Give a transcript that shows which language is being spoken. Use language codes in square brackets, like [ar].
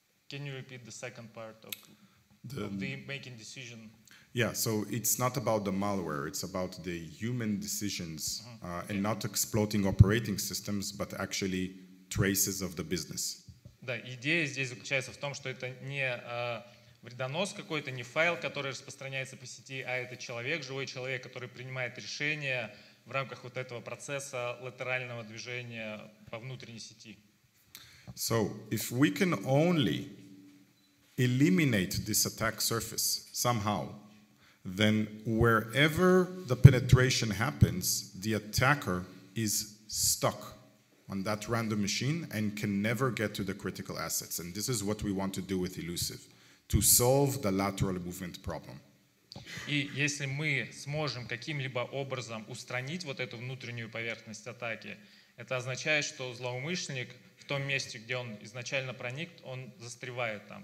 [en] Can you repeat the second part of the making decision? Yeah, so it's not about the malware. It's about the human decisions and not exploiting operating systems, but actually traces of the business. [ru] Да, идея здесь заключается в том, что это не вредонос какой-то, не файл, который распространяется по сети, а это человек, живой человек, который принимает решения в рамках вот этого процесса латерального движения по внутренней сети. [en] So if we can only eliminate this attack surface somehow, then wherever the penetration happens, the attacker is stuck on that random machine and can never get to the critical assets. And this is what we want to do with Illusive, to solve the lateral movement problem. [ru] И если мы сможем каким-либо образом устранить вот эту внутреннюю поверхность атаки, это означает, что злоумышленник в том месте, где он изначально проник, он застревает там.